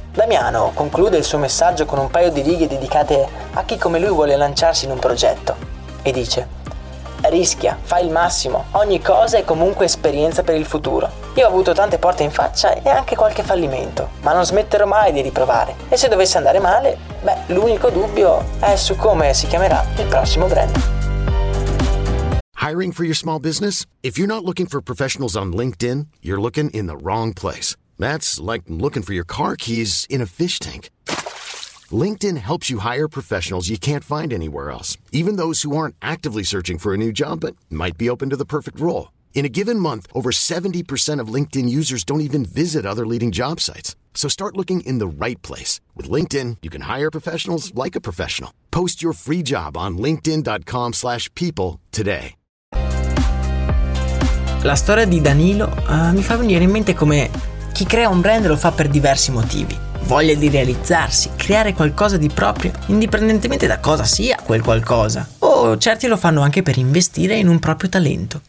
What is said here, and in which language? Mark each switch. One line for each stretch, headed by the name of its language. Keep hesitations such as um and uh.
Italian: Damiano conclude il suo messaggio con un paio di righe dedicate a chi come lui vuole lanciarsi in un progetto e dice rischia, fai il massimo. Ogni cosa è comunque esperienza per il futuro. Io ho avuto tante porte in faccia e anche qualche fallimento, ma non smetterò mai di riprovare. E se dovesse andare male, beh, l'unico dubbio è su come si chiamerà il prossimo brand.
English: Hiring for your small business? If you're not looking LinkedIn, you're looking in the wrong place. That's like looking for in a fish tank. LinkedIn helps you hire professionals you can't find anywhere else, even those who aren't actively searching for a new job but might be open to the perfect role. In a given month, over 70% of LinkedIn users don't even visit other leading job sites. So start looking in the right place. With LinkedIn, you can hire professionals like a professional. Post your free job on linkedin.com slash people today.
Italian: La storia di Danilo uh, mi fa venire in mente come chi crea un brand lo fa per diversi motivi. voglia di realizzarsi, creare qualcosa di proprio, indipendentemente da cosa sia quel qualcosa. O oh, certi lo fanno anche per investire in un proprio talento.